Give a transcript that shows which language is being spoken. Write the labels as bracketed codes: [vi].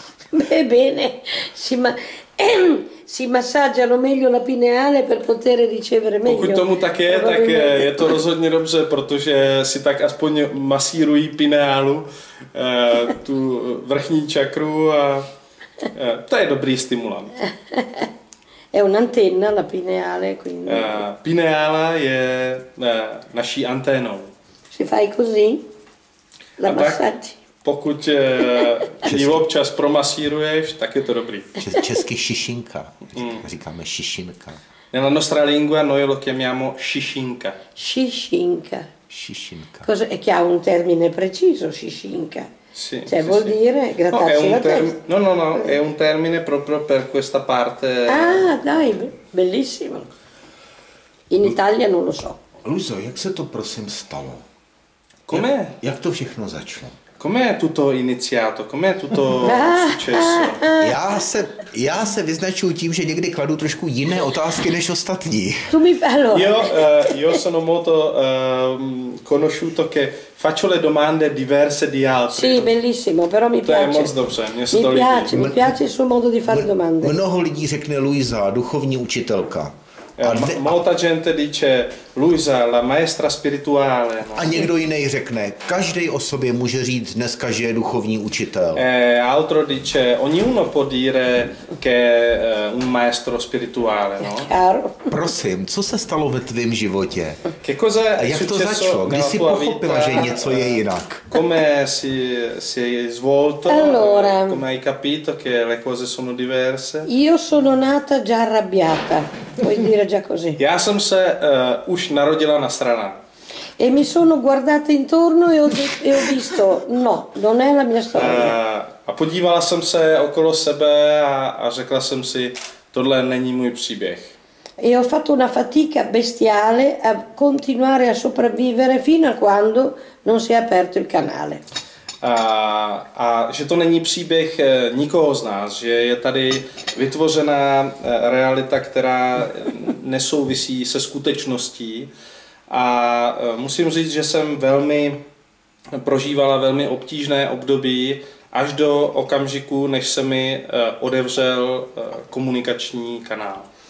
[it] Beh, bene, si massaggiano meglio la pineale per poter ricevere meglio. [cs] Pokud tomu tak je, tak je to rozhodně dobře, protože si tak aspoň masírují pineálu, tu vrchní čakru a to je dobrý stimulant. [it] È un'antenna la pineale, quindi. [cs] Pineala je naší anténou. [it] Si fai così? La massaggi. [cs] Pokud ji občas promasíruješ, tak je to dobrý. Česky šišinka. Říkáme šišinka. [it] Nella nostra lingua noi lo chiamiamo šišinka. [cs] Šišinka. Šišinka. [it] Cosa è che ha un termine preciso, šišinka? Sì, cioè sì, vuol sì. dire grattarsi no, la testa. No, è un termine proprio per questa parte. Ah, dai, bellissimo. In Italia non lo so. [cs] Luisa, jak se to prosím stalo? [it] Com'è? [cs] Jak to všechno začalo? [it] Com'è tutto iniziato? Com'è tutto successo? [cs] Já se vyznačuju tím, že někdy kladu trošku jiné otázky než ostatní. [it] Tu mi fallo. Io sono molto conosciuto che faccio le domande diverse di altri. Sì, bellissimo, però mi piace. [cs] To je moc dobře, mě se to líbí. [it] Mi piace il suo modo di fare domande. [cs] Mnoho lidí řekne Luisa, duchovní učitelka. [it] Molta gente dice Luisa, la maestra spirituale. [cs] A někdo jiný řekne, každý o sobě může říct dneska, že je duchovní učitel. [it] Altro dice, ognuno può dire che un maestro spirituale, no? [cs] Prosím, co se stalo ve tvém životě? [it] Che cosa [cs] a jak to začalo? Kdy jsi pochopila, že něco je jinak? [it] Come si svolto? Allora, come hai capito che le cose sono diverse? Io sono nata già arrabbiata. Puoi dire già così. [cs] Já jsem se už narodila na strana. [it] E mi sono guardata intorno e ho visto, no, non è la mia storia. [cs] A podívala jsem se okolo sebe a řekla jsem si, tohle není můj příběh. [it] E ho fatto una fatica bestiale a continuare a sopravvivere fino a quando non si è aperto il canale. [cs] A že to není příběh nikoho z nás, že je tady vytvořená realita, která nesouvisí se skutečností. A musím říct, že jsem velmi prožívala velmi obtížné období až do okamžiku, než se mi odevřel komunikační kanál.